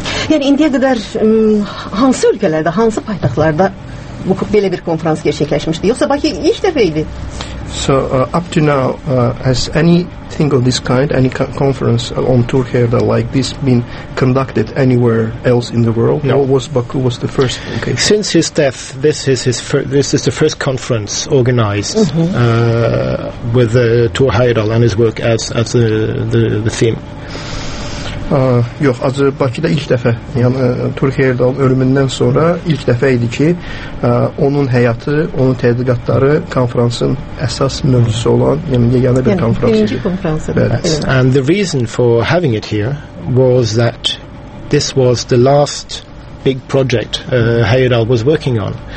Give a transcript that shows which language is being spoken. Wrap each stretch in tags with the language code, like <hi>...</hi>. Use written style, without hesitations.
<az>Yəni, indiyə qədər hansı ölkələrdə, hansı paytaxtlarda bu belə bir konferans gerçəkləşmişdi? Yoxsa Bakı ilk dəfə idi?</az> <en>So, up to now, has anything of this kind, any conference on Thor Heyerdahl like this been conducted anywhere else in the world? No. Or was Baku was the first location? Since his death, this is the first conference organized with Thor Heyerdahl and his work as the theme.</en> <az>Yox, acı Bakıda ilk dəfə, yəni Turk Heyerdal ölümündən sonra ilk dəfə idi ki, onun həyatı, onun tədqiqatları konferansın əsas mövzusu olan, yəni yeganə bir konferans idi.</az> <en>Yes. And the reason for having it here was that this was the last big project Heyerdal was working on.</en>